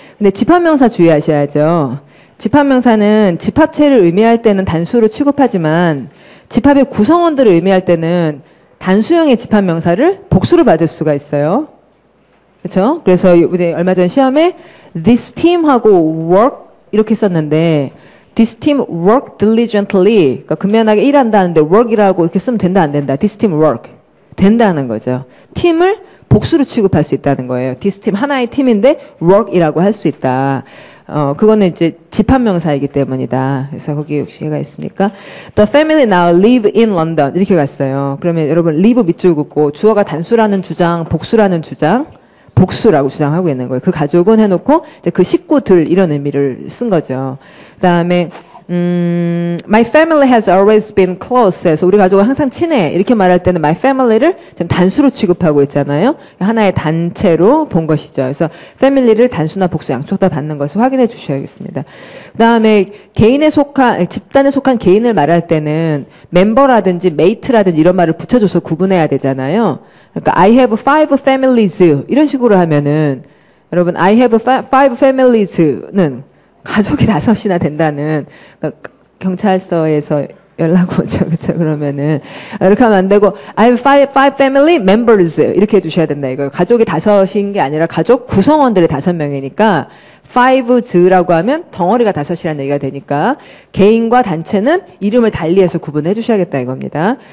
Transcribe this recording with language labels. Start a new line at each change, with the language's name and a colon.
Korean: 근데 집합명사 주의하셔야죠. 집합명사는 집합체를 의미할 때는 단수로 취급하지만 집합의 구성원들을 의미할 때는 단수형의 집합명사를 복수로 받을 수가 있어요. 그렇죠? 그래서 이제 얼마 전 시험에 this team하고 work 이렇게 썼는데
English: this team work diligently
Korean: 그러니까 근면하게 일한다는데 work이라고 이렇게 쓰면 된다 안 된다. this team work 된다는 거죠. 팀을 복수로 취급할 수 있다는 거예요. this team 하나의 팀인데 work이라고 할 수 있다. 그거는 이제 집합명사이기 때문이다. 그래서 거기 혹시 이해가 있습니까?
English: The family now live in London.
Korean: 이렇게 갔어요. 그러면 여러분 live 밑줄 긋고 주어가 단수라는 주장, 복수라는 주장, 복수라고 주장하고 있는 거예요. 그 가족은 해놓고 이제 그 식구들 이런 의미를 쓴 거죠. 그 다음에
English: My family has always been close.
Korean: 그래서 우리 가족은 항상 친해. 이렇게 말할 때는 my family를 지금 단수로 취급하고 있잖아요. 하나의 단체로 본 것이죠. 그래서 family를 단수나 복수 양쪽 다 받는 것을 확인해 주셔야겠습니다. 그 다음에 개인에 속한, 집단에 속한 개인을 말할 때는 멤버라든지 mate라든지 이런 말을 붙여줘서 구분해야 되잖아요.
English: 그러니까 I have five families.
Korean: 이런 식으로 하면은 여러분
English: I have five families
Korean: 는 가족이 다섯이나 된다는 경찰서에서 연락 오죠. 그렇죠? 그러면은 이렇게 하면 안 되고
English: I have five family members
Korean: 이렇게 해 주셔야 된다 이거. 가족이 다섯인 게 아니라 가족 구성원들이 다섯 명이니까 five's라고 하면 덩어리가 다섯이라는 얘기가 되니까 개인과 단체는 이름을 달리해서 구분해 주셔야겠다 이겁니다.